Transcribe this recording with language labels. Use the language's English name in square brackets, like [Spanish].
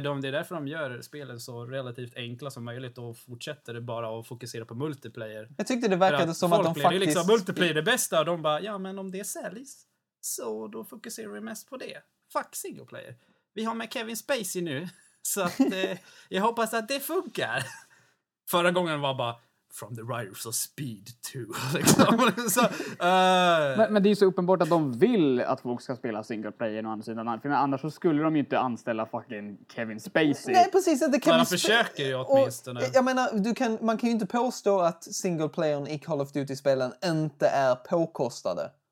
[Swedish] Det är därför de gör spelen så relativt enkla som möjligt och fortsätter bara att fokusera på multiplayer. Jag tyckte det verkade som att de faktiskt... Det är liksom multiplayer det bästa och de bara, ja men om det säljs så då fokuserar vi mest på det. [English] Fuck single player. [Swedish] Vi har med Kevin Spacey nu, så att jag hoppas att det funkar. Förra gången var bara... [English] From the writers of Speed 2. [Swedish] Liksom. Så, men det är ju så uppenbart att de vill att folk ska spela single player och andra sidan. För annars så skulle de ju inte anställa fucking Kevin Spacey. Nej, precis. Det Kevin försöker ju åtminstone. Och, jag menar, man kan ju inte påstå att single playern i Call of Duty-spelen inte är påkostade.